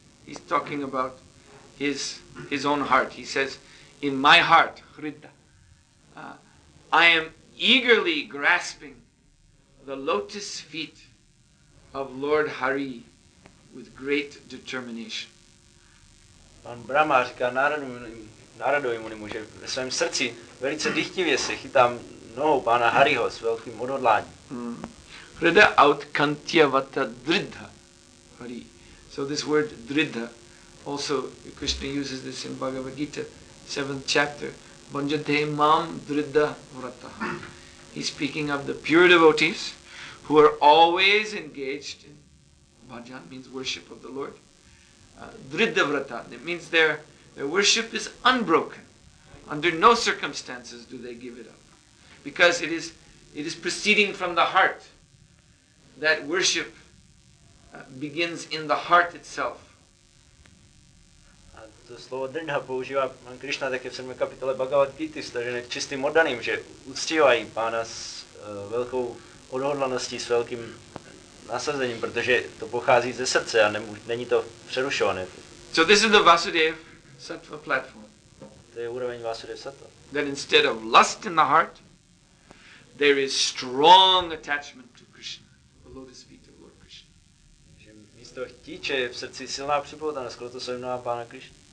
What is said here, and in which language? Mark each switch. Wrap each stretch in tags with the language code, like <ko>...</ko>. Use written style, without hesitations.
<en>He's talking about his own heart. He says, in my heart, Hrida, I am eagerly grasping the lotus feet of Lord Hari with great determination.</en> <cs>Pan Brahma říká Náradovi Munimu, že ve svém srdci velice dychtivě se chytám nohou pána Hariho s velkým odhodláním.</cs> <sa>Hrida autkantya vata dridha Hari.</sa> <en>So this word dridha, also Krishna uses this in Bhagavad Gita, 7th chapter.</en> <sa>Bhanjate mam dridha vrata.</sa> <en>He's speaking of the pure devotees who are always engaged in bhajan, means worship of the Lord. Dridhavrata, it means their worship is unbroken. Under no circumstances do they give it up. Because it is proceeding from the heart. That worship begins in the heart itself.</en> <cs>A to slovo dridha používá pan Krišna také v 7. kapitole Bhagavad Gita, stažené čistým oddaným, že uctívají pána s velkou odhodlaností, s velkým nasazením, protože to pochází ze srdce a není to přerušované.</cs> <en>So this is the Vasudev Sattva platform.</en> <cs>To je úroveň Vasudev Sattva.</cs> <en>That instead of lust in the heart, there is strong attachment to Krishna, the lotus feet of Lord Krishna.</en> <cs>Že místo chtíče je v srdci silná připoutanost k lotosovým nohám pána Krishna.</cs>